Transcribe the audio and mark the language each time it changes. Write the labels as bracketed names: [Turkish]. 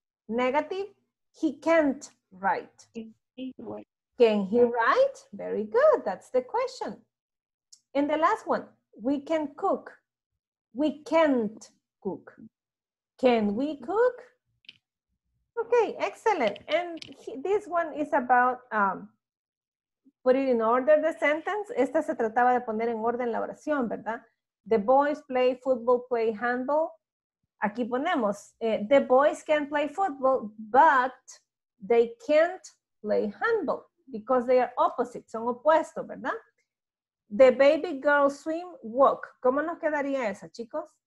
[English] Negative, he can't write. Can he write? Very good. That's the question. And the last one, we can cook. We can't cook. Can we cook? Okay, excellent. And this one is about putting in order the sentence. [Spanish] Esta se trataba de poner en orden la oración, ¿verdad? [English] The boys play football, play handball. [Spanish] Aquí ponemos, [English] the boys can play football, but they can't play handball. because they are opposite, [Spanish] son opuestos, ¿verdad? [English] The baby girl swim, walk. [Spanish] ¿Cómo nos quedaría esa, chicos?